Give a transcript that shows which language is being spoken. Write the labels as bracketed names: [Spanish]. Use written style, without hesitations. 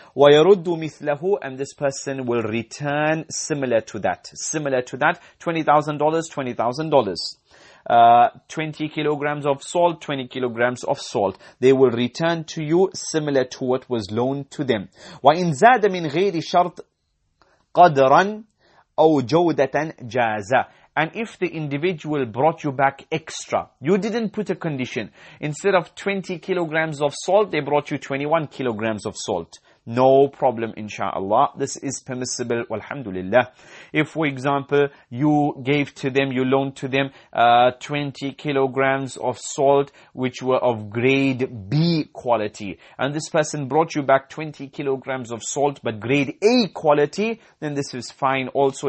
[Arabic] ويرد مثله, [English] and this person will return similar to that. Similar to that, $20,000, $20,000. 20 kilograms of salt, 20 kilograms of salt. They will return to you similar to what was loaned to them. [Arabic] وإن زاد من غير شرط قدراً أو جودة جازة. [English] And if the individual brought you back extra, you didn't put a condition. Instead of 20 kilograms of salt, they brought you 21 kilograms of salt. No problem, inshallah. This is permissible, walhamdulillah. If, for example, you gave to them, you loaned to them 20 kilograms of salt, which were of grade B quality, and this person brought you back 20 kilograms of salt, but grade A quality, then this is fine also.